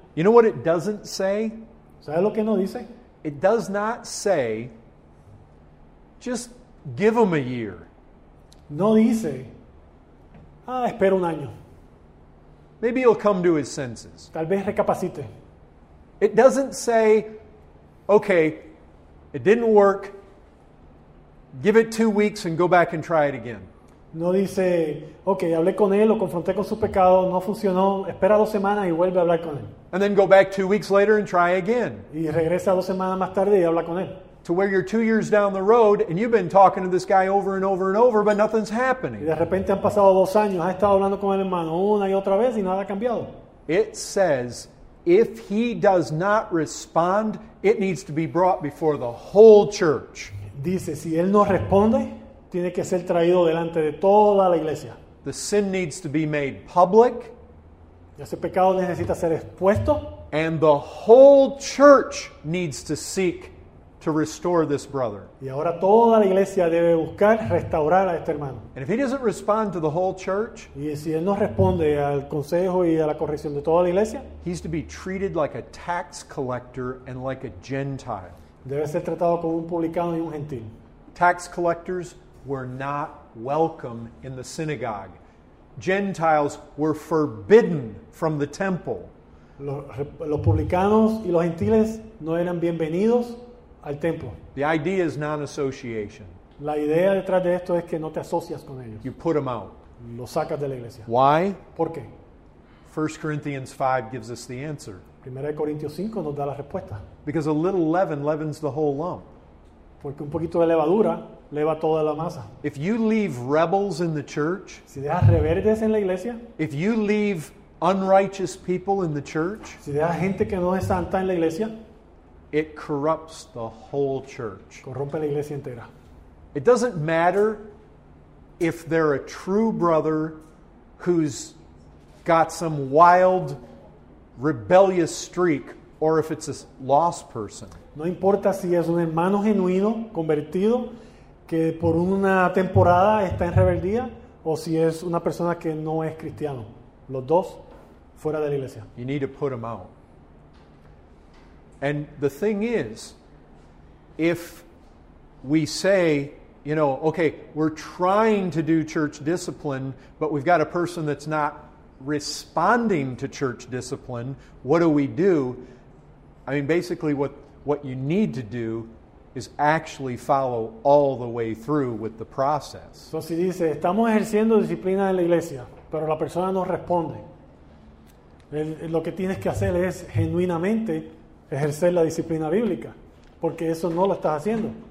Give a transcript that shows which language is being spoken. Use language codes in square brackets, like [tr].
[en] You know what it doesn't say? [es] ¿Sabes lo que no dice? [en] It does not say, just give him a year. [es] No dice, ah, espera un año. [en] Maybe he'll come to his senses. [es] Tal vez recapacite. [en] It doesn't say, okay, it didn't work, give it 2 weeks and go back and try it again. [es] No dice, okay, hablé con él, lo confronté con su pecado, no funcionó, espera 2 semanas y vuelve a hablar con él. [en] And then go back 2 weeks later and try again. [es] Y regresa 2 semanas más tarde y habla con él. [en] To where you're 2 years down the road and you've been talking to this guy over and over and over, but nothing's happening. [es] Y de repente han pasado 2 años, ha estado hablando con el hermano una y otra vez y nada ha cambiado. [en] It says, if he does not respond, it needs to be brought before the whole church. [es] Dice, si él no responde, tiene que ser traído delante de toda la iglesia. [en] The sin needs to be made public. [es] Ese pecado necesita ser expuesto. [en] And the whole church needs to seek to restore this brother. [es] Y ahora toda la iglesia debe buscar restaurar a este hermano. [en] And if he doesn't respond to the whole church, [es] y si él no responde al consejo y a la corrección de toda la iglesia, [en] he's to be treated like a tax collector and like a Gentile. [es] Debe ser tratado como un publicano y un gentil. [en] Tax collectors were not welcome in the synagogue. Gentiles were forbidden from the temple. [es] Los publicanos y los gentiles no eran bienvenidos al templo. [en] The idea is non-association. [es] La idea detrás de esto es que no te asocias con ellos. [en] You put them out. [es] Los sacas de la iglesia. [en] Why? [es] ¿Por qué? [en] 1 Corinthians 5 gives us the answer. [es] 1 Corintios 5 nos da la respuesta. [en] Because a little leaven leavens the whole lump. [es] Porque un poquito de levadura leva toda la masa. [en] If you leave rebels in the church, [es] si dejas rebeldes en la iglesia, [en] if you leave unrighteous people in the church, [es] si dejas gente que no es santa en la iglesia, [en] it corrupts the whole church. [es] Corrompe la iglesia entera. [en] It doesn't matter if they're a true brother who's got some wild rebellious streak or if it's a lost person. [es] No importa si es un hermano genuino, convertido, que por una temporada está en rebeldía, o si es una persona que no es cristiano. Los dos, fuera de la iglesia. [en] You need to put them out. And the thing is, if we say, you know, okay, we're trying to do church discipline, but we've got a person that's not responding to church discipline. What do we do? I mean, basically what you need to do is actually follow all the way through with the process. [es] So si dice, estamos ejerciendo disciplina en la iglesia, pero la persona no responde. Lo que tienes que hacer es genuinamente ejercer la disciplina bíblica, porque eso no lo estás haciendo.